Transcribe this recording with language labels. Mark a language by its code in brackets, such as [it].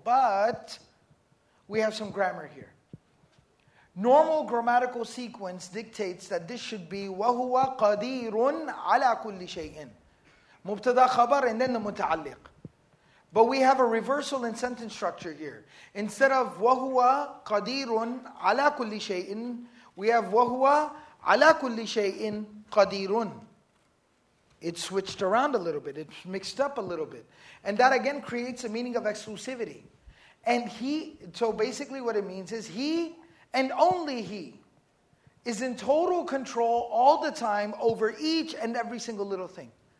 [en] But we have some grammar here. Normal grammatical sequence dictates that this should be [ar] وَهُوَ قَدِيرٌ عَلَىٰ كُلِّ شَيْءٍ. [en] مُبْتَدَى خَبَرٍ and then the متعلق. But we have a reversal in sentence structure here. Instead of [ar] وَهُوَ قَدِيرٌ عَلَىٰ كُلِّ شَيْءٍ, [en] we have [ar] وَهُوَ عَلَىٰ كُلِّ شَيْءٍ قَدِيرٌ. [en] It switched around a little bit. It's mixed up a little bit. And that again creates a meaning of exclusivity. And he, so basically what it means is he and only he is in total control all the time over each and every single little thing.